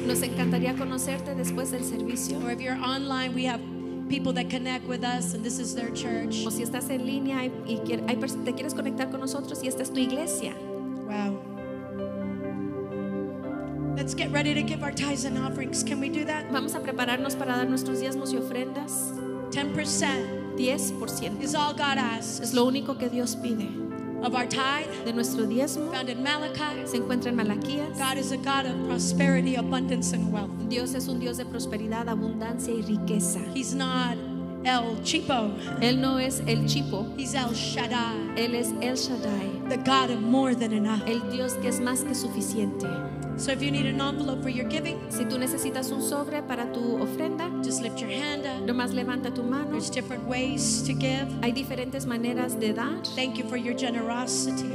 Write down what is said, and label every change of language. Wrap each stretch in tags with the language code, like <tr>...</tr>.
<es>Nos encantaría conocerte después del servicio.</es> <en>Or if you're online, we have people that connect with us, and this is their church.</en> <es>O si estás en línea y te quieres conectar con nosotros, y esta es tu iglesia.</es> <en>Wow. Let's get ready to give our tithes and offerings. Can we do that?</en> <es>Vamos a prepararnos para dar nuestros diezmos y ofrendas.</es> <en>10%. 10%. Is all God asks.</en> <es>Es lo único que Dios pide.</es> <en>Of our tithe,</en> <es>de nuestro diezmo,</es> <en>found in Malachi,</en> <es>se encuentra en Malaquías.</es> <en>God is a God of prosperity, abundance, and wealth.</en> <es>Dios es un Dios de prosperidad, abundancia y riqueza.</es> <en>He's not El Chipo.</en> <es>Él no es El Chipo.</es> <en>He's El Shaddai.</en> <es>Él es El Shaddai.</es> <en>The God of more than enough.</en> <es>El Dios que es más que suficiente.</es> <en>So if you need an envelope for your giving,</en> <es>si tú necesitas un sobre para tu ofrenda,</es> <en>just lift your hand up.</en> <es>Nomás levanta tu mano.</es> <en>There's different ways to give.</en> <es>Hay diferentes maneras de dar.</es> <en>Thank you for your generosity.</en>